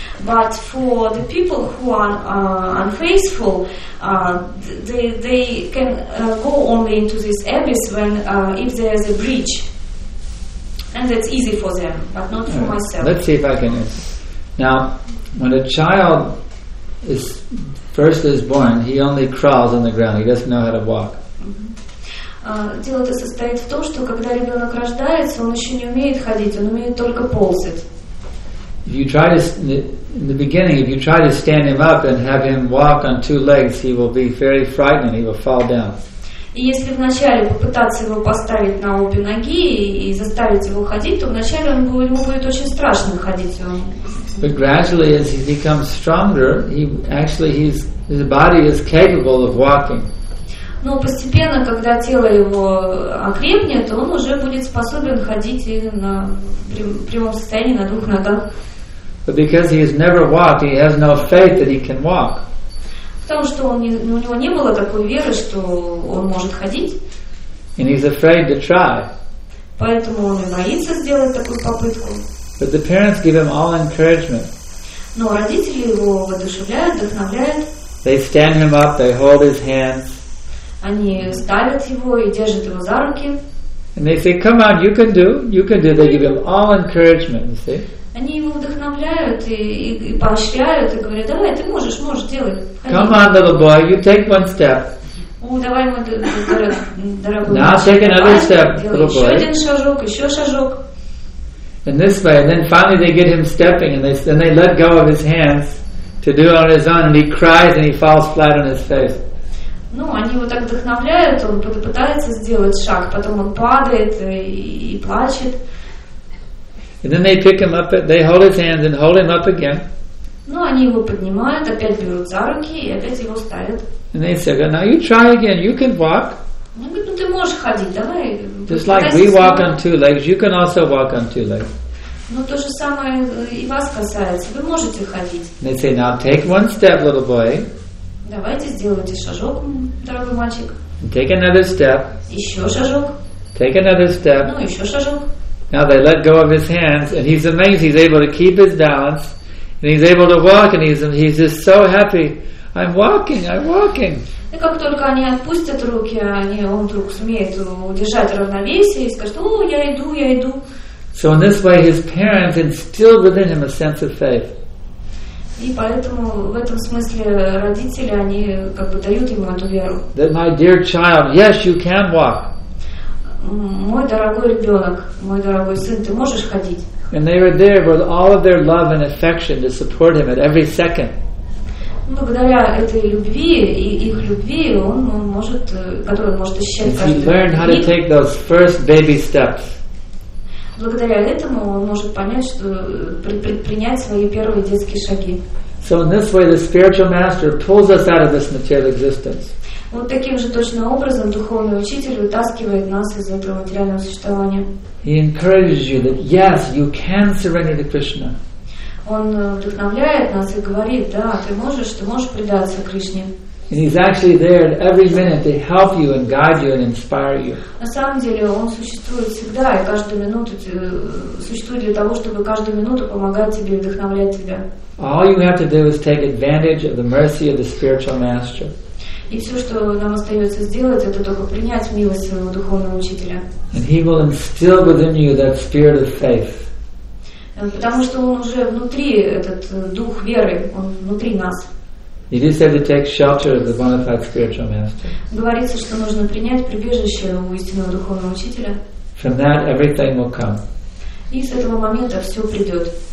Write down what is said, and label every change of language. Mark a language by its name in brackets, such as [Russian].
[English] But for the people who are unfaithful, they can go only into this abyss when if there is a breach, and that's easy for them, but not for myself. Let's see if I can. Now, when a child is first is born, he only crawls on the ground. He doesn't know how to walk. [Russian] Дело то состоит в том, что когда ребенок рождается, он еще не умеет ходить, он умеет только ползать. [English] If you try to in the beginning, if you try to stand him up and have him walk on two legs, he will be very frightened. He will fall down. [Russian] И если вначале попытаться его поставить на обе ноги и заставить его ходить, то вначале он будет, ему будет очень страшно ходить. [English] But gradually, as he becomes stronger, he actually his body is capable of walking. [Russian] Но постепенно, когда тело его окрепнет, он уже будет способен ходить на прямом состоянии на двух ногах. [English] But because he has never walked, he has no faith that he can walk. [Russian] Потому что у него не было такой веры, что он может ходить. [English] And he's afraid to try. [Russian] Поэтому он и боится сделать такую попытку. [English] But the parents give him all encouragement. [Russian] Но родители его воодушевляют, вдохновляют. [English] They stand him up, they hold his hands. [Russian] Они ставят его и держат его за руки. [English] And they say, come on, you can do, you can do. They give him all encouragement, you see. [Russian] Они его вдохновляют и поощряют, и говорят, давай, ты можешь, можешь, делай. [English] Come on, little boy, you take one step. [Russian] О, давай, мой дорогой. [English] Now take another step, little boy. [Russian] Еще один шажок, еще шажок. [English] In this way, and then finally they get him stepping, and they let go of his hands to do on his own, and he cries and he falls flat on his face. [Russian] Ну, они его так вдохновляют, он пытается сделать шаг, потом он падает и плачет. [English] And then they pick him up, they hold his hands and hold him up again. [Russian] Ну, они его поднимают, опять берут за руки и опять его ставят. [English] And they say, now you try again, you can walk. [Russian] Он говорит, ну ты можешь ходить, давай. [English] Just like we walk on two legs, you can also walk on two legs. [Russian] Ну то же самое и вас касается, вы можете ходить. [English] They say, now take one step, little boy. [Russian] Давайте сделайте шажок, дорогой мальчик. [English] Take another step. [Russian] Еще шажок. [English] Take another step. [Russian] Ну еще шажок. [English] Now they let go of his hands, and he's amazed. He's able to keep his balance, and he's able to walk, and he's just so happy. I'm walking, I'm walking. [Russian] И как только они отпустят руки, он вдруг сумеет удержать равновесие и скажет, о, я иду, я иду. [English] So in this way his parents instilled within him a sense of faith. [Russian] И поэтому в этом смысле родители, они как бы дают ему эту веру. [English] That my dear child, yes, you can walk. [Russian] Мой дорогой ребенок, мой дорогой сын, ты можешь ходить. [English] And they were there with all of their love and affection to support him at every second. [Russian] Благодаря этой любви и их любви, он может, который он может ощущать каждый день. [English] He learned how to take those first baby steps. [Russian] благодаря этому он может понять, что предпринять свои первые детские шаги. [English] So in this way, the spiritual master pulls us out of this material existence. [Russian] Вот таким же точно образом духовный учитель вытаскивает нас из этого материального существования. [English] He encourages you that yes, you can surrender to Krishna. [Russian] Он вдохновляет нас и говорит, да, ты можешь предаться Кришне. [English] And he's actually there every minute to help you and guide you and inspire you. [Russian] На самом деле он существует всегда и каждую минуту существует для того, чтобы каждую минуту помогать тебе и вдохновлять тебя. [English] All you have to do is take advantage of the mercy of the spiritual master. [Russian] И все, что нам остается сделать, это только принять милость своего духовного учителя. [English] And he will instill within you that spirit of faith. [Russian] Потому что он уже внутри этот дух веры, он внутри нас. [English] It is said to take shelter of the bona fide spiritual master. [Russian] Говорится, что нужно принять прибежище у истинного духовного учителя. [English] From that everything will come. [Russian] И с этого момента все придет.